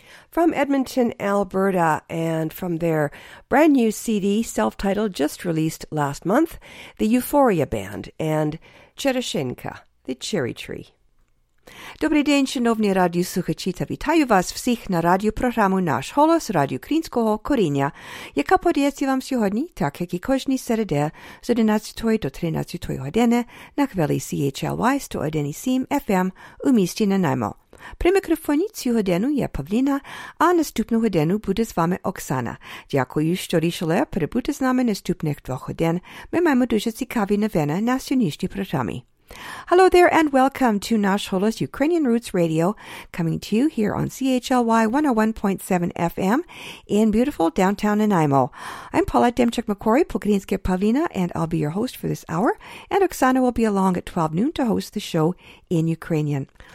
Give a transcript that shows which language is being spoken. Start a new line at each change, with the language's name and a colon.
English: From Edmonton, Alberta, and from their brand new CD, self-titled, just released last month, the Euphoria Band and Cherishenka, the Cherry Tree.
Ukrainian: Добрий день, шановні радіослухачі, та вітаю вас всіх на радіопрограму «Наш голос» Радіо Українського коріння, яка подається вам сьогодні, так як і кожні середи, з 11 до 13 години на хвилі CHLY 101.7 FM у місті Нанаймо. При мікрофоні цю годину є Павліна, а наступну годину буде з вами Оксана. Дякую, що рішили перебути з нами наступних двох годин. Ми маємо дуже цікаві новини на сьогоднішній програмі.
English: Hello there and welcome to Nash Holos Ukrainian Roots Radio, coming to you here on CHLY 101.7 FM in beautiful downtown Nanaimo. I'm Paula Demchuk-McQuarrie, Pukrinske Pavlina, and I'll be your host for this hour, and Oksana will be along at 12 noon to host the show in Ukrainian.